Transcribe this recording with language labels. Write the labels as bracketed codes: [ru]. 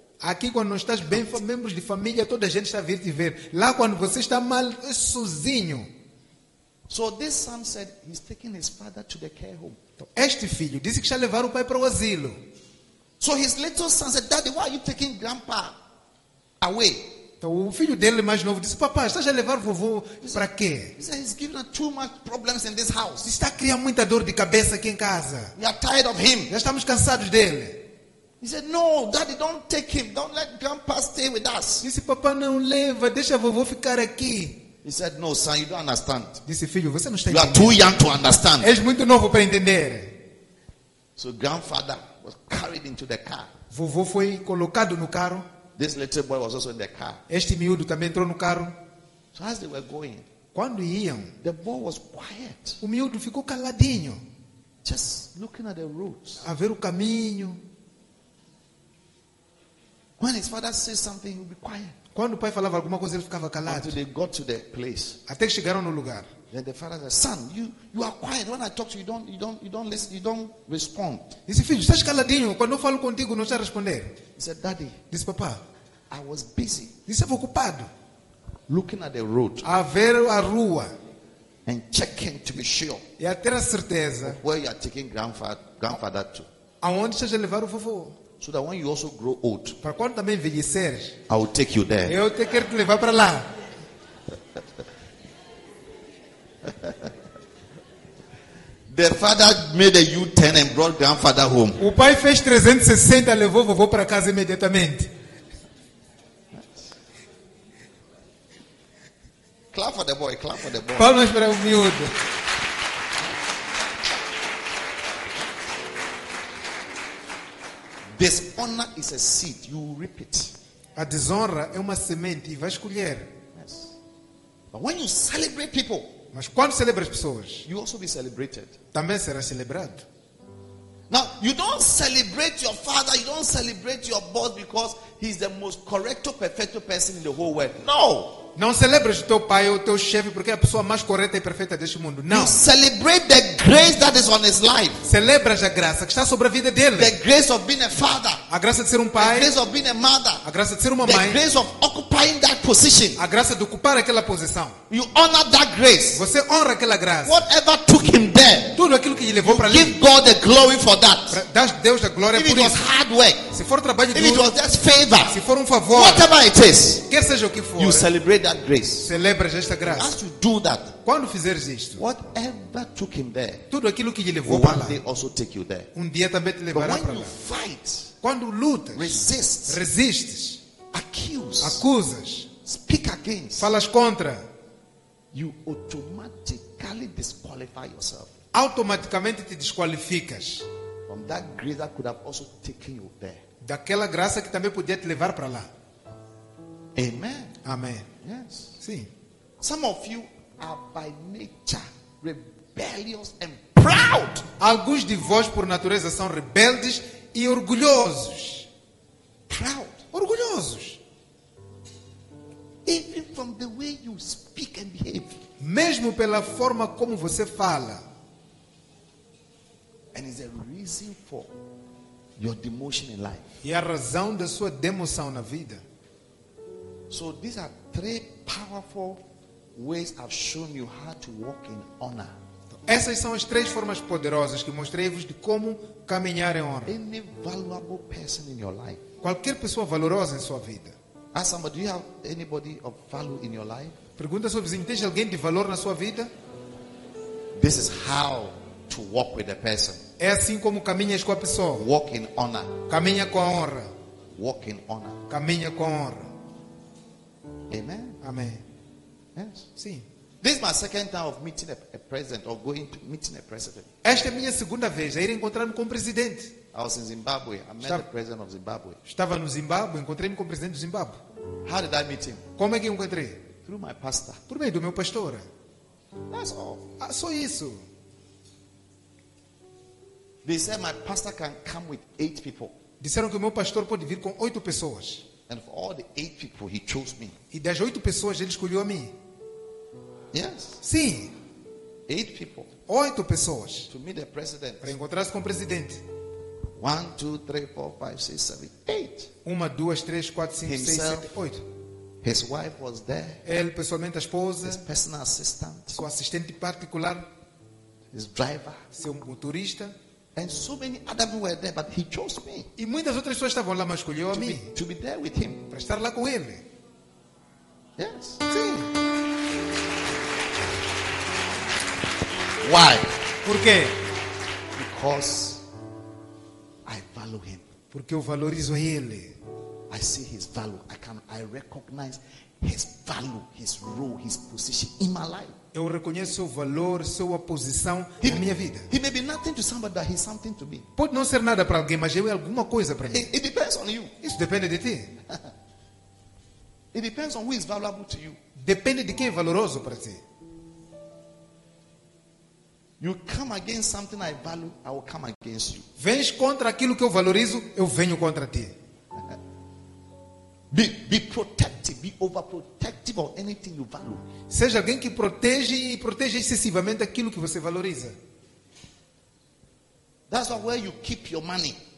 [pt] Aqui quando não estás bem, membros de família, toda a gente está a vir te ver. Lá quando você está mal, é sozinho. [en] So this son said he's taking his father to the care home. [pt] Então, este filho disse que está a levar o pai para o asilo. [en] So his little son said, "Daddy, why are you taking grandpa away?" [pt] Então, o filho dele mais novo disse, papai, estás a levar vovô para quê? [en] He said, he's giving us too much problems in this house. [pt] Está a criar muita dor de cabeça aqui em casa. [en] We are tired of him. [pt] Já estamos cansados dele. [en] He said, "No, daddy, don't take him. Don't let grandpa stay with us." [pt] Disse, papai, não leva, deixa vovô ficar aqui. [en] He said, "No, son, you don't understand." [pt] Disse, filho, você não está entendendo. [en] You are too young to understand. [pt] És muito novo para entender. [en] So grandfather was carried into the car. [pt] Vovô foi colocado no carro. [en] This little boy was also in the car. [pt] Este miúdo também entrou no carro. [en] So as they were going, [pt] quando iam, [en] the boy was quiet. [pt] O miúdo ficou caladinho. [en] Just looking at the roads. [pt] A ver o caminho. [en] When his father says something, he'll be quiet. [pt] Quando o pai falava alguma coisa, ele ficava calado. [en] Until they got to the place. [pt] Até que chegaram no lugar. [en] Then the father said, "Son, you are quiet. When I talk to you, you don't listen, you don't respond." [pt] Disse, filho, estás caladinho. Quando eu falo contigo, não estás a responder. [en] He said, "Daddy." [pt] Disse, papá. [en] "I was busy." [pt] Disse, ocupado. [en] Looking at the road. [pt] A ver a rua. [en] And checking to be sure. [pt] E a ter a certeza. [en] Where you are taking grandfather to. [pt] Aonde estás a levar o vovô? [en] So that when you also grow old. [pt] Para quando também envelhecer. [en] I will take you there. [pt] Eu te quero te levar para lá. [en] The father made a U-turn and brought grandfather home. [pt] O pai fez 360 e levou vovô para casa imediatamente. [en] Clap for the boy, clap for the boy. [pt] Palmas para o miúdo. [en] Dishonor is a seed, you will reap it. [pt] A desonra é uma semente e vais colher. [en] Yes. But when you celebrate people, [pt] mas quando celebras pessoas, [en] you also be celebrated. [pt] Também será celebrado. [en] Now, you don't celebrate your father, you don't celebrate your boss because he's the most correct or perfect person in the whole world. No! [pt] Não celebras o teu pai ou teu chefe porque é a pessoa mais correta e perfeita deste mundo. Não. [en] You celebrate the grace that is on his life. [pt] Celebras a graça que está sobre a vida dele. [en] The grace of being a father. [pt] A graça de ser um pai. [en] The grace of being a mother. [pt] A graça de ser uma [en] the [pt] mãe. [en] The grace of occupying that position. [pt] A graça de ocupar aquela posição. [en] You honor that grace. [pt] Você honra aquela graça. [en] Whatever took him there. [pt] Tudo aquilo que ele levou para ali. [en] Give God the glory for that. [pt] Dá Deus a glória [en] if [pt] por [en] it [pt] isso. [en] Was hard work. [pt] Se for trabalho [en] if [pt] duro. [en] It was just favor. [pt] Se for um favor. [en] Whatever it is. [pt] Quer seja o que for. [en] You celebrate that grace. [pt] Celebra esta graça. [en] As you do that, [pt] quando fizeres isto, [en] whatever took him there, [pt] tudo aquilo que lhe levou para lá, [en] one day also take you there. [pt] Um dia também te levará para lá. [en] But when you fight, [pt] quando lutas, resistes, acusas, [en] speak against, [pt] falas contra, [en] you automatically disqualify yourself. [pt] Automaticamente te desqualificas. [en] From that grace that could have also taken you there. [pt] Daquela graça que também podia te levar para lá. [en] Amen. [pt] Amen. [en] Yes. [pt] Sim. [en] Some of you are by nature rebellious and proud. [pt] Alguns de vós por natureza são rebeldes e orgulhosos. [en] Proud. [pt] Orgulhosos. [en] Even from the way you speak and behave. [pt] Mesmo pela forma como você fala. [en] And is a reason for your demotion in life. [pt] E a razão da sua demoção na vida. [en] So these are three powerful ways I've shown you how to walk in honor. [pt] Essas são as três formas poderosas que mostrei-vos de como caminhar em honra. [en] Any valuable person in your life? [pt] Qualquer pessoa valorosa em sua vida. [en] Ask somebody, do you have anybody of value in your life? [pt] Pergunta ao seu vizinho, tem alguém de valor na sua vida? [en] This is how to walk with a person. [pt] É assim como caminhas com a pessoa. [en] Walk in honor. [pt] Caminha com a honra. [en] Walk in honor. [pt] Caminha com a honra. [en] Amen. [pt] Amen. [en] Yes. [pt] Sim. [en] This is my second time of meeting a president or going to meeting a president. [pt] Esta é minha segunda vez a ir encontrar-me com o presidente. [en] I was in Zimbabwe. I met the president of Zimbabwe. [pt] Estava no Zimbabwe, encontrei-me com o presidente do Zimbabwe. [en] How did I meet him? [pt] Como é que encontrei? [en] Through my pastor. [pt] Por meio do meu pastor. [en] That's all. [pt] Ah, só isso. [en] They said my pastor can come with 8 people. [pt] Disseram que o meu pastor pode vir com 8 pessoas. [en] And of all the 8 people, he chose me. [pt] E das 8 pessoas, ele escolheu a mim. [en] Yes. [pt] Sim. [en] 8 people. [pt] 8 pessoas. [en] To meet the president. [pt] Para encontrar-se com o presidente. [en] 1, 2, 3, 4, 5, 6, 7, 8. [pt] 1, 2, 3, 4, 5, 6, 7, 8. [en] His wife was there. [pt] Ele, pessoalmente, a esposa. [en] His personal assistant. [pt] Seu assistente particular. [en] His driver. [pt] Seu motorista. [en] And so many other people were there, but he chose me. [pt] E muitas outras pessoas estavam lá, mas escolheu a mim. [en] To be there with him. [pt] Para estar lá com ele. [en] Yes. [pt] Sim. [en] Why? [pt] Por quê? [en] Because I value him. [pt] Porque eu valorizo a ele. [en] I see his value. I recognize his value, his role, his position in my life. [pt] Eu reconheço o valor, sua posição na minha vida. [en] He may be nothing to somebody, but he's something to me. [pt] Pode não ser nada para alguém, mas ele é alguma coisa para mim. [en] It depends on you. [pt] Isso depende de ti. [en] It depends on who is valuable to you. [pt] Depende de quem é valoroso para ti. [en] You come against something I value, I will come against you. [pt] Vens contra aquilo que eu valorizo, eu venho contra ti. [en] Be protective, be overprotective of anything you value. [pt] Seja alguém que protege e protege excessivamente aquilo que você valoriza. [en] That's where you keep your money.